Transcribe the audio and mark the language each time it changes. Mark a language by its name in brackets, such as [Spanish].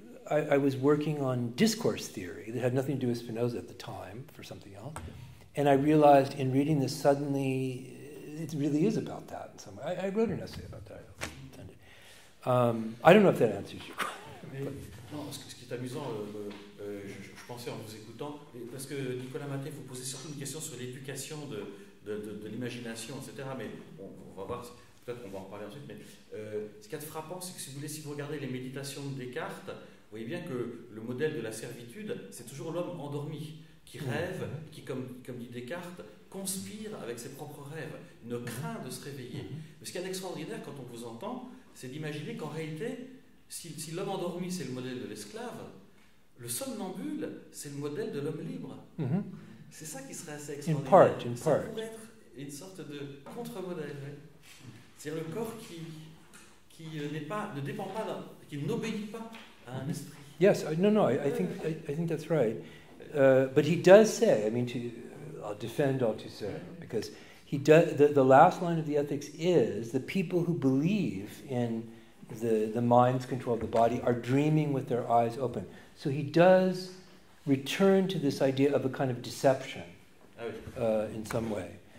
[English] I was working on discourse theory that had nothing to do with Spinoza at the time, for something else. And I realized in reading this suddenly, it really is about that in some way. I wrote an essay about that. I don't know if that answers your question. [French] Mais, non, ce qui est amusant, je pensais en vous écoutant, parce que Nicolas Maté, vous posez surtout une question sur l'éducation de l'imagination, etc. Mais bon, on va voir, peut-être qu'on va en parler ensuite. Mais ce qui est frappant, c'est que si vous regardez les méditations de Descartes, vous voyez bien que le modèle de la servitude, c'est toujours l'homme endormi, qui rêve, qui, comme dit Descartes, conspire avec ses propres rêves, ne craint de se réveiller. Mais ce qui est extraordinaire quand on vous entend, c'est d'imaginer qu'en réalité, si l'homme endormi, c'est le modèle de l'esclave, le somnambule, c'est le modèle de l'homme libre. C'est ça qui serait assez extraordinaire. [English] In part, [French] ça pourrait être une sorte de contre-modèle. C'est-à-dire le corps qui n'est pas, ne dépend pas, qui n'obéit pas à un esprit. [English] Yes, I think that's right. But he does say, I mean, I'll defend Althusser, because he does, the last line of the Ethics is, the people who believe in the mind's control of the body are dreaming with their eyes open. So he does return to this idea of a kind of deception in some way.